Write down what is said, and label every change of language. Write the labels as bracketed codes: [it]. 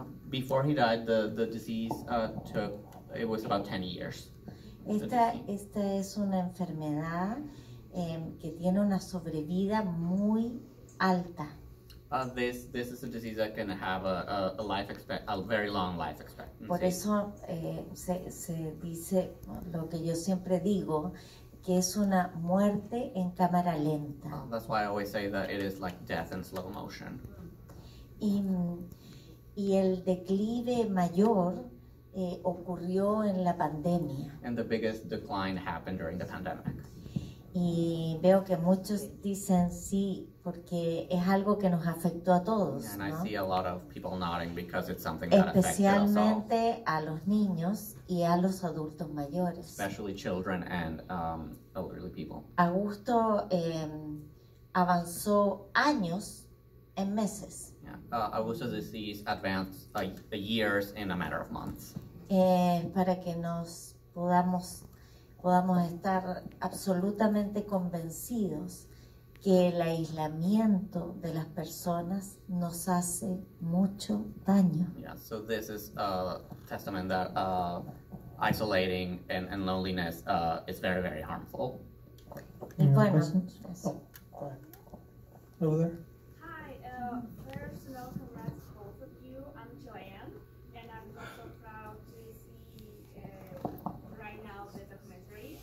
[en] Before he died, the disease took, it was about 10 years. [es] Esta es una enfermedad que tiene una sobrevida muy alta. [en] This is a disease that can have a very long life expectancy. [es] Por eso se dice lo que yo siempre digo, que es una muerte en cámara lenta. [en] That's why I always say that it is like death in slow motion. [es] Y el declive mayor ocurrió en la pandemia. [en] And the biggest decline happened during the pandemic. [es] Y veo que muchos dicen sí, porque es algo que nos afectó a todos, ¿no? [en] And I see a lot of people nodding because it's something [es] especialmente a los niños y a los adultos mayores. [en] Especially children and elderly people. [es] Augusto avanzó años en meses. [en] Augusto's disease advanced years in a matter of months. [es] Para que nos podamos estar absolutamente convencidos que el aislamiento de las personas nos hace mucho daño. [en] Yeah, so this is a testament that isolating and loneliness is very, very harmful. [es] Y bueno, [en] yes. Over there. Hi, first, congrats both of you. I'm Joanne, and I'm also proud to see right now the documentary.